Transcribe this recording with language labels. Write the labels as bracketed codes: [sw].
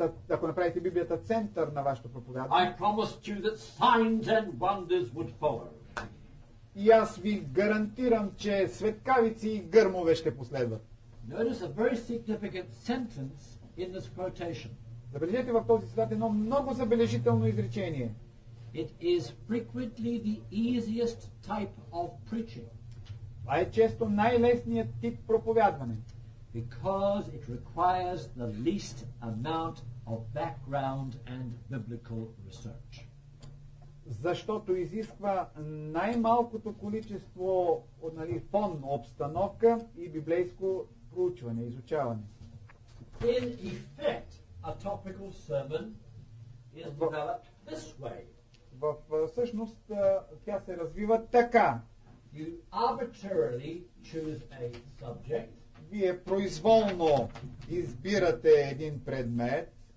[bg] ако направите Библията център на вашето проповядване, [en] I promised you that signs and wonders would follow. [bg] И аз ви гарантирам, че светкавици и гърмове ще последват. [en] Notice a very significant sentence in this quotation. [bg] Забележете в този цитат едно много забележително изречение. [en] It is frequently the easiest type of preaching. [bg] Това е често най-лесният тип проповядване. [en] Because it requires the least amount of background and biblical research. [bg] Защото изисква най-малкото количество, нали, фон, обстановка и библейско проучване, изучаване. [en] In effect, a topical sermon is developed this way. [bg] В същност тя се развива така. [en] You arbitrarily choose a subject. [bg] Вие произволно избирате един предмет.